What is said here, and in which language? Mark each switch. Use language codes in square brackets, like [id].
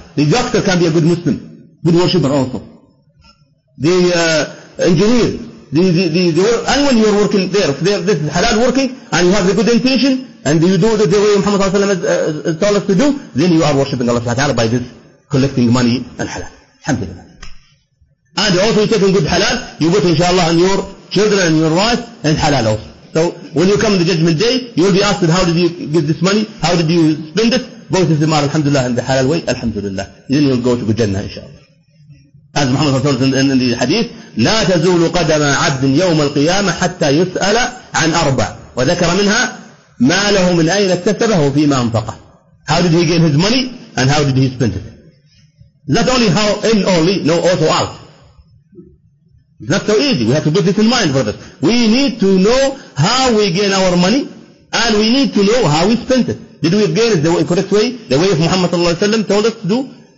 [en] The doctor can be a good Muslim, good worshipper also. The engineer, and when you are working there, if there, this is halal working, and you have the good intention, and you do the way Muhammad has told us to do, then you are worshipping Allah Ta'ala by this collecting money and halal. Alhamdulillah. And also you take good halal, you put inshallah on your children and your wife, and halal also. So when you come on the judgment day, you will be asked, how did you get this money? How did you spend it? Both of them are alhamdulillah and the halal way, alhamdulillah. Then you will go to good Jannah inshallah. As Muhammad [ar] صلى الله عليه وسلم in the hadith, لا تزول قدم عبد يوم القيامة حتى يسأل عن أربع وذكر منها ما له من أين اكتسبه وفيما أنفقه. [en] How did he gain his money and how did he spend it? Not only how, in only, no, also out. It's not so easy. We have to put this in mind, brothers. We need to know how we gain our money and we need to know how we spent it. Did we gain it the correct way? The way of Muhammad صلى الله عليه وسلم told us to do?